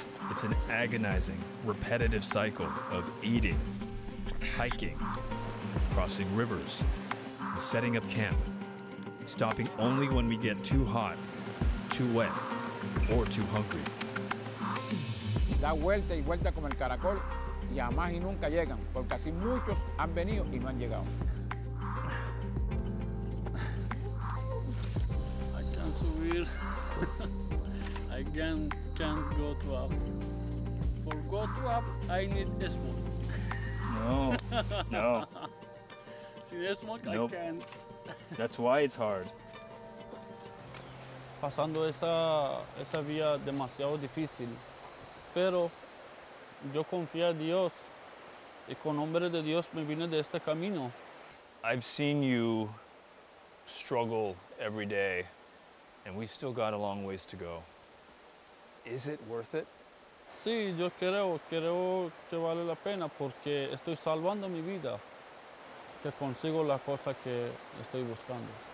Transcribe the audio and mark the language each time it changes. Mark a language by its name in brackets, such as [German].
[English] It's an agonizing, repetitive cycle of eating, hiking, crossing rivers, and setting up camp, stopping only when we get too hot, too wet, or too hungry. [Spanish] Da vuelta y vuelta como el caracol, y jamás y nunca llegan, porque así muchos han venido y no han llegado. [English] I can't subir. I can't go to up. For go to up, I need this one. No. See this one, nope. I can't. That's why it's hard. [Spanish] Pasando esa vía demasiado difícil, pero yo confío en Dios y con nombre de Dios me vine de este camino. [English] I've seen you struggle every day, and we still got a long ways to go. Is it worth it? [Spanish] Sí, yo creo que vale la pena porque estoy salvando mi vida, que consigo la cosa que estoy buscando.